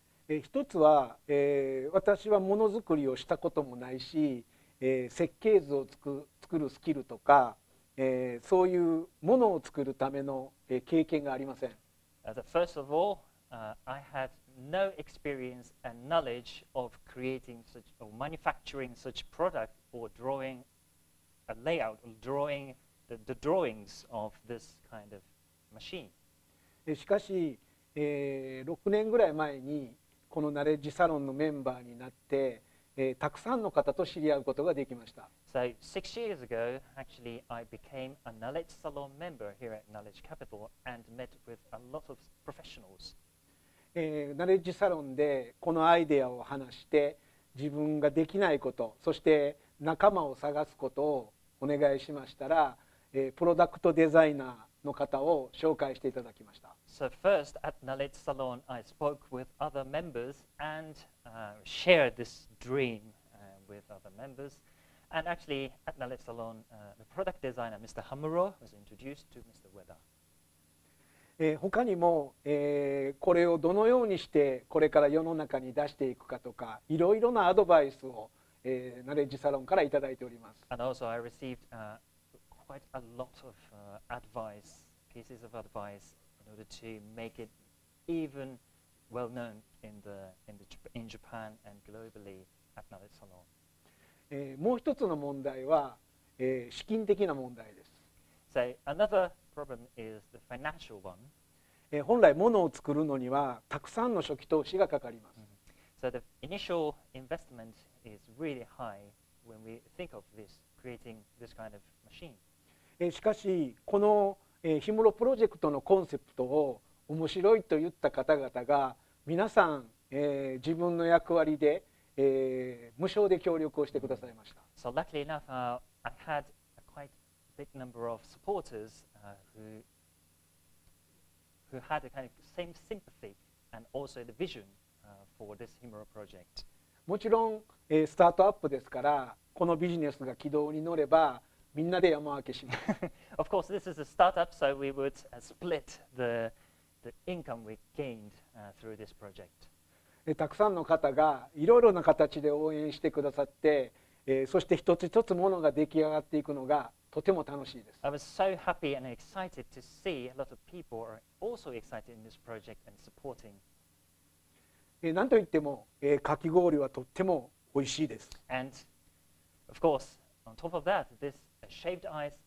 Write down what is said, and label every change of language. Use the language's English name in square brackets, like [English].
[Japanese] 一つは、私はものづくりをしたこともないし、設計図を作るスキルとか、そういうものを作るための、経験がありません。 [English] First of all, I had no experience and knowledge of creating such or manufacturing such product or drawing a layout or drawing the drawings of this kind of machine. [Japanese] しかし、6年ぐらい前にこのナレッジサロンのメンバーになって、たくさんの方と知り合うことができました。 [English] So, 6 years ago, actually, I became a Knowledge Salon member here at Knowledge Capital and met with a lot of professionals. [Japanese] ナレッジサロンでこのアイデアを話して、自分ができないこと、そして仲間を探すことをお願いしましたら、プロダクトデザイナーの方を紹介していただきました。 [English] So first at Knowledge Salon, I spoke with other members and shared this dream with other members. And actually, at Knowledge Salon, the product designer, Mr. Hamuro, was introduced to Mr. Ueda. [Japanese] 他にも、これをどのようにしてこれから世の中に出していくかとか、いろいろなアドバイスを、Knowledge Salonからいただいております。 [English] And also, I received quite a lot of advice, pieces of advice. In order to make it even well known in Japan and globally at Knowledge Salon. [Japanese] もう一つの問題は、資金的な問題です。 [English] So another problem is the financial one. [Japanese] 本来物を作るのにはたくさんの初期投資がかかります。 [English] So the initial investment is really high when we think of this creating this kind of machine. [Japanese] しかしこのヒムロプロジェクトのコンセプトを面白いと言った方々が皆さん、自分の役割で、無償で協力をしてくださいました。 [English] So luckily enough, I had a quite big number of supporters who had a kind of same sympathy and also the vision for this Himuro project. [Japanese] もちろん、スタートアップですからこのビジネスが軌道に乗ればみんなで山分けします。 [English] Of course, this is a startup, so we would split the income we gained through this project. [Japanese] たくさんの方がいろいろな形で応援してくださって、そして一つ一つものが出来上がっていくのがとても楽しいです。 [English] I was so happy and excited to see a lot of people are also excited in this project and supporting. [Japanese] なんといっても、かき氷はとってもおいしいです。 [English] And of course, on top of that, this shaved ice.